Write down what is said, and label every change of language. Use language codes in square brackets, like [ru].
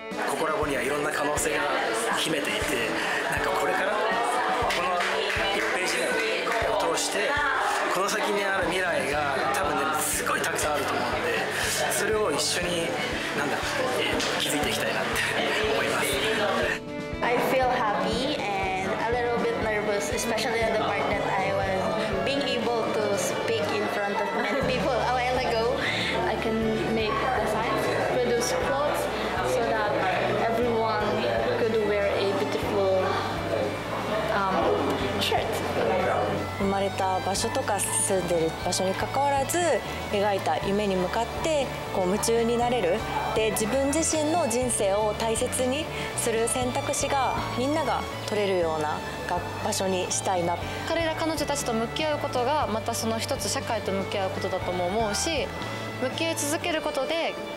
[ja] ココラボにはいろんな可能性が秘めていて、なんかこれからこの1ページを通してこの先にある未来が多分ねすごいたくさんあると思うので、それを一緒に何だろう、気づいていきたいなって思います。 [en] I feel happy and a little bit nervous, especially at the part that I was being able to speak in front of many people a while ago. I can make designs, produce clothes so that everyone could wear a beautiful shirt. [ja] 生まれた場所とか住んでる場所に関わらず描いた夢に向かってこう夢中になれる。で、自分自身の人生を大切にする選択肢がみんなが取れるような場所にしたいな。彼ら彼女たちと向き合うことがまたその一つ社会と向き合うことだとも思うし、向き合い続けることで